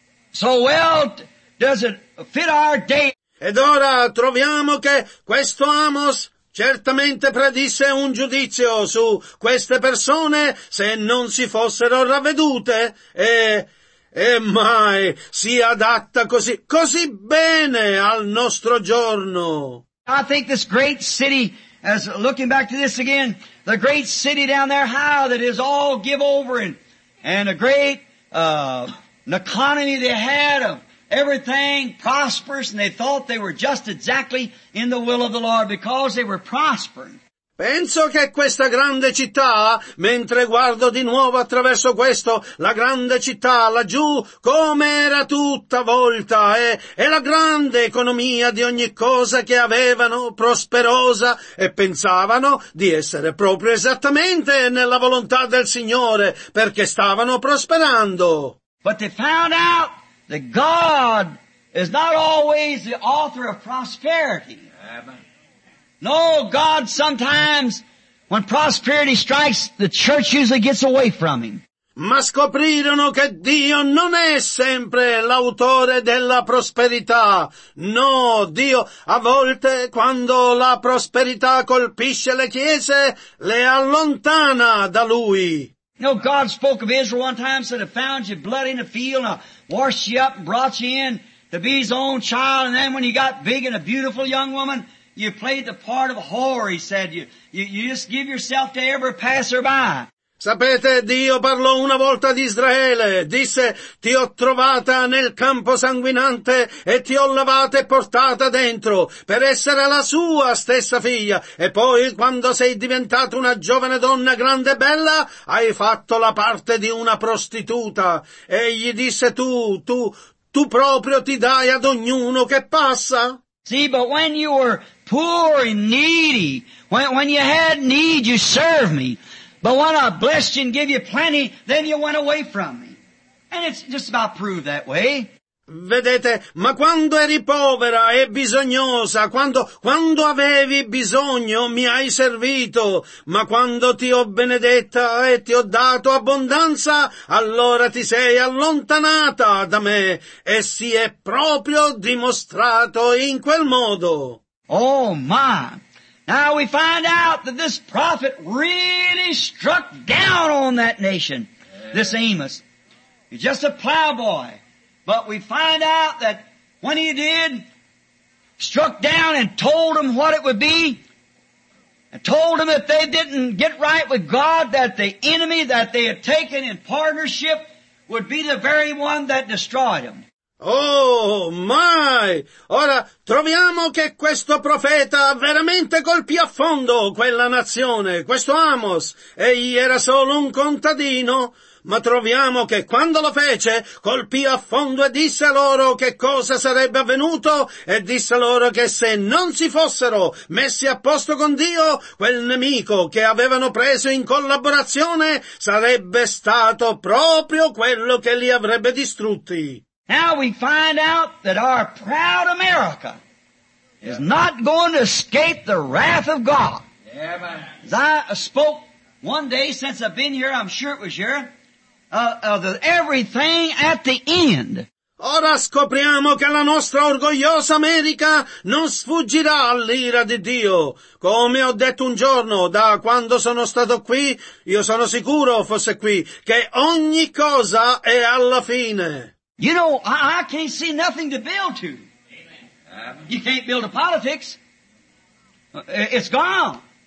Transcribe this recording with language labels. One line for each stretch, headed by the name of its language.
English: So well does it fit our day.
Italian: Ed ora troviamo che questo Amos certamente predisse un giudizio su queste persone se non si fossero ravvedute e mai si adatta così bene al nostro giorno.
English: I think this great city, as looking back to this again, the great city down there high that is all give over and a great an economy they had of everything prosperous, and they thought they were just exactly in the will of the Lord because they were prospering.
Italian: Penso che questa grande città, mentre guardo di nuovo attraverso questo, la grande città laggiù, come era tutta volta, e la grande economia di ogni cosa che avevano, prosperosa, e pensavano di essere proprio esattamente nella volontà del Signore, perché stavano prosperando.
English: But they found out that God is not always the author of prosperity. No, God sometimes, when prosperity strikes, the church usually gets away from him.
Italian: Ma scoprirono che Dio non è sempre l'autore della prosperità. No, Dio, a volte, quando la prosperità colpisce le chiese, le allontana da lui.
English: No, God spoke of Israel one time, said, I found you bloody in the field, and I washed you up and brought you in to be his own child, and then when you got big and a beautiful young woman, you played the part of a whore, he said. You just give yourself to every passerby.
Italian: Sapete, Dio parlò una volta di Israele, disse: ti ho trovata nel campo sanguinante e ti ho lavata e portata dentro per essere la sua stessa figlia. E poi, quando sei diventata una giovane donna grande e bella, hai fatto la parte di una prostituta. E gli disse: tu proprio ti dai ad ognuno che passa. Sì, ma quando
English: you were poor and needy, when you had need, you served me. But when I blessed you and gave you plenty, then you went away from me. And it's just about proved that way.
Italian: Vedete, ma quando eri povera e bisognosa, quando avevi bisogno, mi hai servito. Ma quando ti ho benedetta e ti ho dato abbondanza, allora ti sei allontanata da me. E si è proprio dimostrato in quel modo. Oh, ma...
English: Now we find out that this prophet really struck down on that nation, this Amos. He's just a plowboy. But we find out that when he did, struck down and told them what it would be, and told them if they didn't get right with God, that the enemy that they had taken in partnership would be the very one that destroyed them.
Italian: Oh, mai! Ora, troviamo che questo profeta veramente colpì a fondo quella nazione, questo Amos. Egli era solo un contadino, ma troviamo che quando lo fece, colpì a fondo e disse loro che cosa sarebbe avvenuto, e disse loro che se non si fossero messi a posto con Dio, quel nemico che avevano preso in collaborazione sarebbe stato proprio quello che li avrebbe distrutti.
English: Now we find out that our proud America is not going to escape the wrath of God. Yeah, as I spoke one day since I've been here, I'm sure it was here, everything at the end.
Italian: Ora scopriamo che la nostra orgogliosa America non sfuggirà all'ira di Dio. Come ho detto un giorno, da quando sono stato qui, io sono sicuro fosse qui, che ogni cosa è alla fine.
English: You know, I can't see nothing to build to. Amen. You can't build a politics. It's gone.